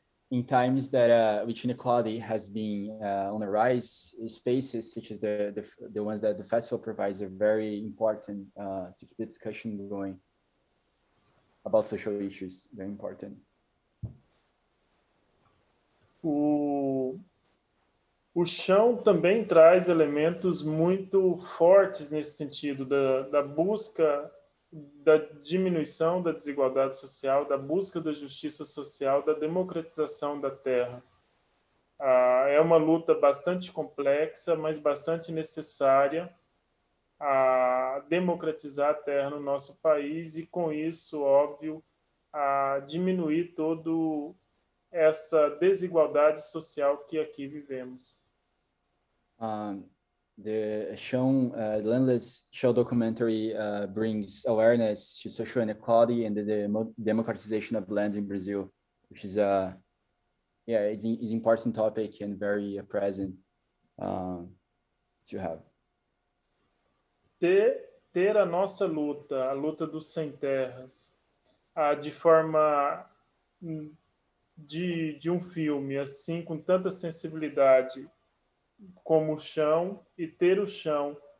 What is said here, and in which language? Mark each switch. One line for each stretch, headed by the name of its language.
English: In times that which inequality has been on the rise, spaces such as the ones that the festival provides are very important to keep the discussion going about social issues. Very important.
Portuguese: O Chão também traz elementos muito fortes nesse sentido da busca da diminuição da desigualdade social, da busca da justiça social, da democratização da terra. Ah, é uma luta bastante complexa, mas bastante necessária a democratizar a terra no nosso país e, com isso, óbvio, a diminuir toda essa desigualdade social que aqui vivemos.
English: The Chão, the Landless Chão documentary brings awareness to social inequality and the democratization of land in Brazil, which is it's an important topic and very present to have.
Portuguese: Ter a nossa luta, a luta dos sem terras, de forma de um filme, assim, com tanta sensibilidade, como o Chão, e ter o Chão